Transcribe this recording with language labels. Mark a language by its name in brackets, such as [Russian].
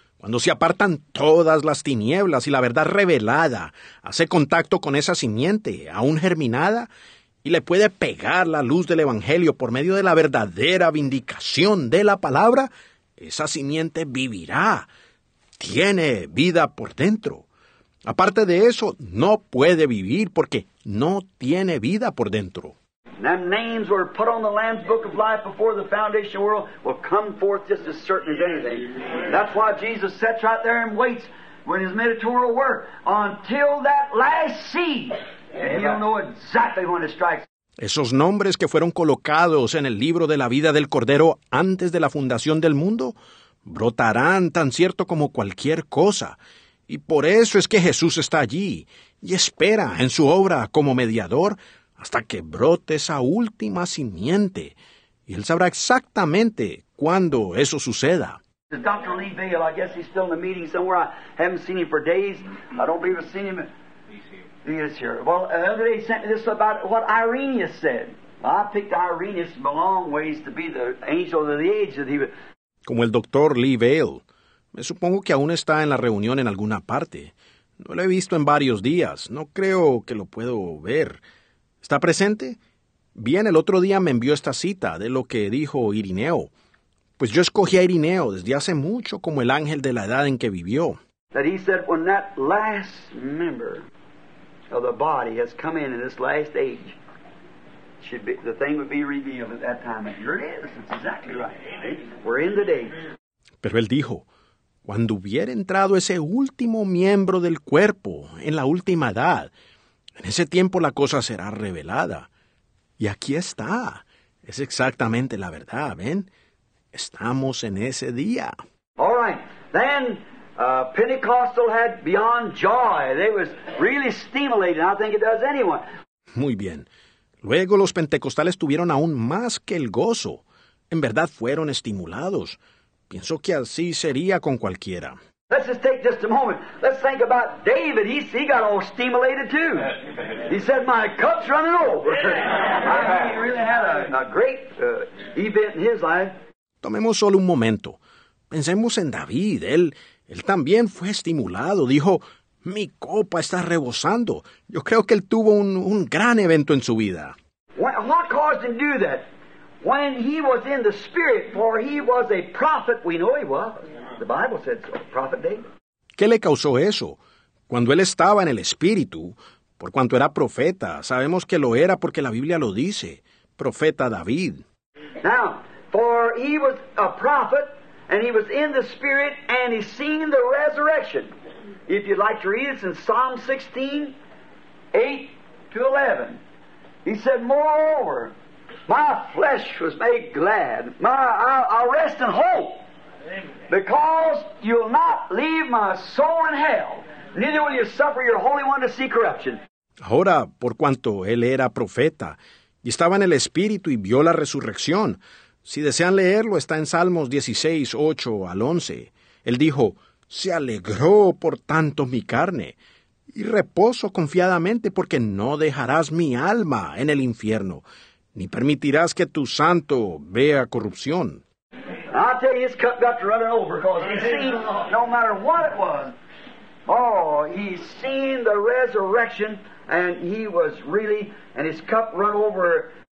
[Spanish] Cuando se apartan todas las tinieblas y la verdad revelada, hace contacto con esa simiente, aún germinada, y le puede pegar la luz del Evangelio por medio de la verdadera vindicación de la palabra, esa simiente vivirá. Tiene vida por dentro. Aparte de eso, no puede vivir porque no tiene vida por dentro. [English] Them names were put on the Lamb's Book of Life before the foundation world will come forth just as certain as anything. That's why Jesus sits right there and waits when his mediatorial work until that last seed. And he'll know exactly when it strikes. [Spanish] Esos nombres que fueron colocados en el libro de la vida del Cordero antes de la fundación del mundo brotarán tan cierto como cualquier cosa. Y por eso es que Jesús está allí y espera en su obra como mediador hasta que brote esa última simiente, y él sabrá exactamente cuando eso suceda. [English] Dr. Lee Bale, I guess he's still in a meeting somewhere. I haven't seen him for days. I don't believe I've seen him. He's here. He is here. Well, the other day he sent me this about what Irenaeus said. I picked Irenaeus from a long ways to be the angel of the age that he was. [Spanish] Como el Dr. Lee Bale. Me supongo que aún está en la reunión en alguna parte. No lo he visto en varios días. No creo que lo puedo ver. ¿Está presente? Bien, el otro día me envió esta cita de lo que dijo Irineo. Pues yo escogí a Irineo desde hace mucho como el ángel de la edad en que vivió. [English] That he said when that last member of the body has come in this last age, should be, the thing would be revealed at that time. And here it is. It's exactly right. We're in the age. [Spanish] Pero él dijo, cuando hubiera entrado ese último miembro del cuerpo en la última edad, en ese tiempo la cosa será revelada. Y aquí está. Es exactamente la verdad, ¿ven? Estamos en ese día. [English] All right. Then, Pentecostal had beyond joy. They was really stimulated. I think it does anyone. [Spanish] Muy bien. Luego los pentecostales tuvieron aún más que el gozo. En verdad fueron estimulados. Pienso que así sería con cualquiera. [English] Let's just take just a moment. Let's think about David. He got all stimulated too. He said, my cup's running over. I mean, he really had a great event in his life. [Spanish] Tomemos solo un momento. Pensemos en David. Él también fue estimulado. Dijo, mi copa está rebosando. Yo creo que él tuvo un gran evento en su vida. [English] What caused him to do that? When he was in the Spirit, for he was a prophet, we know he was. The Bible said so, prophet David. [Spanish] ¿Qué le causó eso? Cuando él estaba en el Espíritu, por cuanto era profeta, sabemos que lo era porque la Biblia lo dice, profeta David. [English] Now, for he was a prophet, and he was in the Spirit, and he seen the resurrection. If you'd like to read it, it's in Psalm 16, 8 to 11. He said, moreover, my flesh was made glad. I'll rest in hope. Because you'll not leave my soul in hell. Neither will you suffer your Holy One to see corruption. [Spanish] Ahora, por cuanto él era profeta, y estaba en el Espíritu y vio la resurrección. Si desean leerlo, está en Salmos 16, 8 al 11. Él dijo, se alegró por tanto mi carne, y reposo confiadamente porque no dejarás mi alma en el infierno, ni permitirás que tu santo vea corrupción. [English] I'll tell you, his cup got to running over, because he's seen, no matter what it was, oh, he's seen the resurrection, and he was really, and his cup run over.